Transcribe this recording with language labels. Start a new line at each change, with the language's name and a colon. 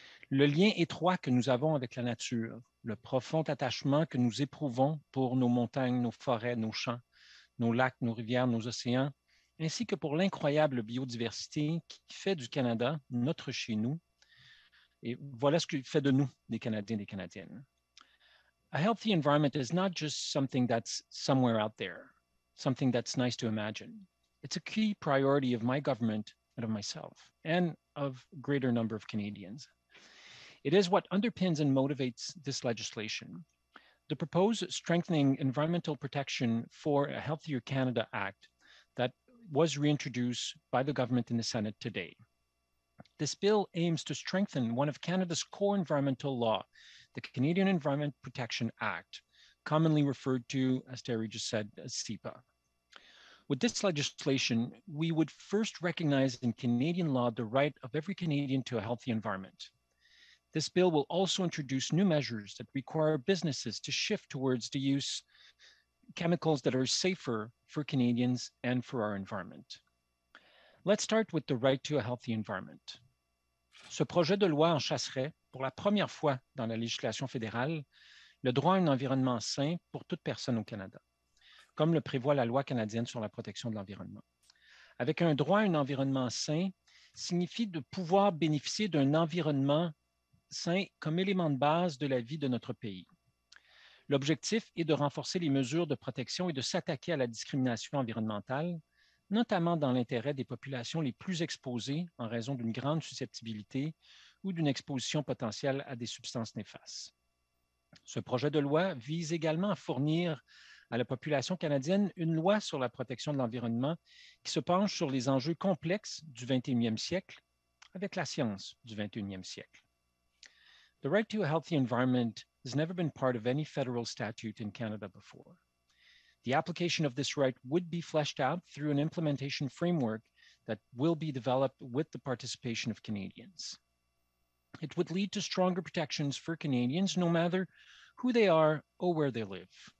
French: Le lien étroit que nous avons avec la nature, le profond attachement que nous éprouvons pour nos montagnes, nos forêts, nos champs, nos lacs, nos rivières, nos océans, ainsi que pour l'incroyable biodiversité qui fait du Canada notre chez nous, et voilà ce qu'il fait de nous, des Canadiens et des Canadiennes.
English: A healthy environment is not just something that's somewhere out there. Something that's nice to imagine. It's a key priority of my government and of myself and of a greater number of Canadians. It is what underpins and motivates this legislation. The proposed Strengthening Environmental Protection for a Healthier Canada Act that was reintroduced by the government in the Senate today. This bill aims to strengthen one of Canada's core environmental law, the Canadian Environment Protection Act, commonly referred to, as Terry just said, as CEPA. With this legislation, we would first recognize in Canadian law the right of every Canadian to a healthy environment. This bill will also introduce new measures that require businesses to shift towards the use of chemicals that are safer for Canadians and for our environment. Let's start with the right to a healthy environment.
French: Ce projet de loi enchâsserait, pour la première fois dans la législation fédérale, le droit à un environnement sain pour toute personne au Canada, comme le prévoit la loi canadienne sur la protection de l'environnement. Avec un droit à un environnement sain, signifie de pouvoir bénéficier d'un environnement sain comme élément de base de la vie de notre pays. L'objectif est de renforcer les mesures de protection et de s'attaquer à la discrimination environnementale, notamment dans l'intérêt des populations les plus exposées en raison d'une grande susceptibilité ou d'une exposition potentielle à des substances néfastes. Ce projet de loi vise également à fournir à la population canadienne une loi sur la protection de l'environnement qui se penche sur les enjeux complexes du 21e siècle avec la science du 21e siècle.
English: The right to a healthy environment has never been part of any federal statute in Canada before. The application of this right would be fleshed out through an implementation framework that will be developed with the participation of Canadians. It would lead to stronger protections for Canadians no matter who they are or where they live.